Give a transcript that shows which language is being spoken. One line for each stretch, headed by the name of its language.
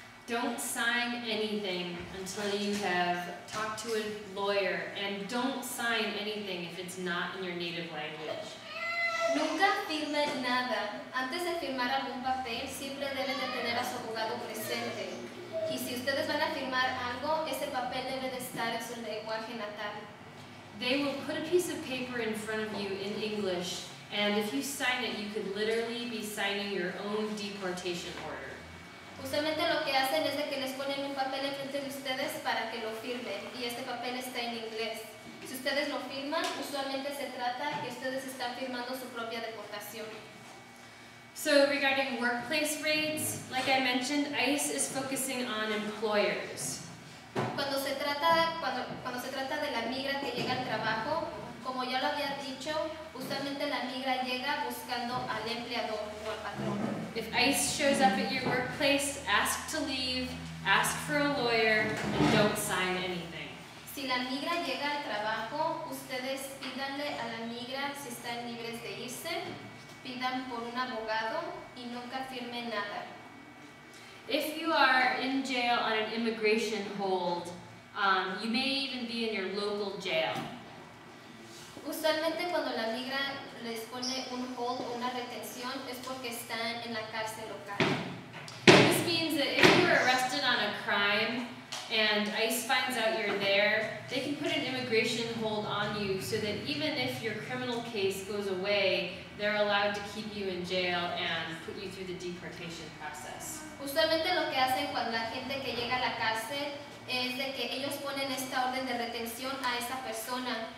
English: Don't sign anything until you have talked to a lawyer, and don't sign anything if it's not in your native language.
Spanish: Nunca firmen nada. Antes de firmar algún papel, siempre deben de tener a su abogado presente. Y si ustedes van a firmar algo, ese papel debe de estar en su lenguaje natal.
English: They will put a piece of paper in front of you in English, and if you sign it, you could literally be signing your own deportation order.
Spanish: Justamente lo que hacen es de que les ponen un papel en frente de ustedes para que lo firmen, y este papel está en inglés. Si ustedes lo firman, usualmente se trata que ustedes están firmando su propia deportación.
English: So regarding workplace raids, like I mentioned, ICE is focusing on employers.
Spanish: Cuando se trata de la migra que llega al trabajo, como ya lo había dicho, justamente la migra llega buscando al empleador o al patrón.
English: If ICE shows up at your workplace, ask to leave, ask for a lawyer, and don't sign anything.
Spanish: Si la migra llega al trabajo, ustedes pídanle a la migra si están libres de irse, pidan por un abogado y nunca firmen nada.
English: If you are in jail on an immigration hold, you may even be in your local jail.
Spanish: Usualmente cuando la migra les pone un hold o una retención es porque están en la cárcel local.
English: This means that if you are arrested on a crime, and ICE finds out you're there, they can put an immigration hold on you so that even if your criminal case goes away, they're allowed to keep you in jail and put you through the deportation process.
Spanish: Justamente lo que hacen cuando la gente que llega a la cárcel es de que ellos ponen esta orden de retención a esa persona.